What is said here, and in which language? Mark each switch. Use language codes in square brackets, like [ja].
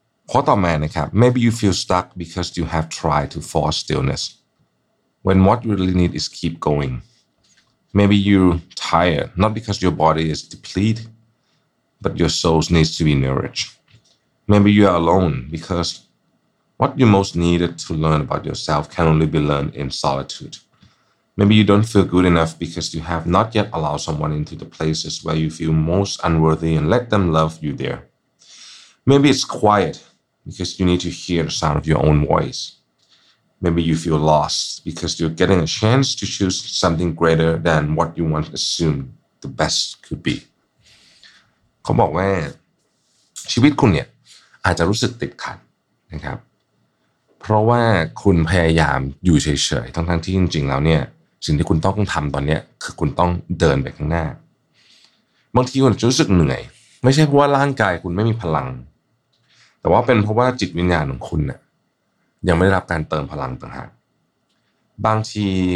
[th] ข้อต่อมานะครับ [en] maybe you feel stuck because you have tried to force stillness when what you really need is keep going maybe you're tired not because your body is depleted but your soul needs to be nourished maybe you are alone becauseWhat you most needed to learn about yourself can only be learned in solitude. Maybe you don't feel good enough because you have not yet allowed someone into the places where you feel most unworthy and let them love you there. Maybe it's quiet because you need to hear the sound of your own voice. Maybe you feel lost because you're getting a chance to choose something greater than what you once assumed the best could be. [th] เขาบอกว่าชีวิตคุณเนี่ยอาจจะรู้สึกติดขัดนะครับเพราะว่าคุณพยายามอยู่เฉยๆทั้งๆที่จริงๆแล้วเนี่ยสิ่งที่คุณต้องทำตอนนี้คือคุณต้องเดินไปข้างหน้าบางทีคุณจะรู้สึกเหนื่อยไม่ใช่เพราะว่าร่างกายคุณไม่มีพลังแต่ว่าเป็นเพราะว่าจิตวิญญาณของคุณน่ะยังไม่ได้รับการเติมพลังต่างหากบางที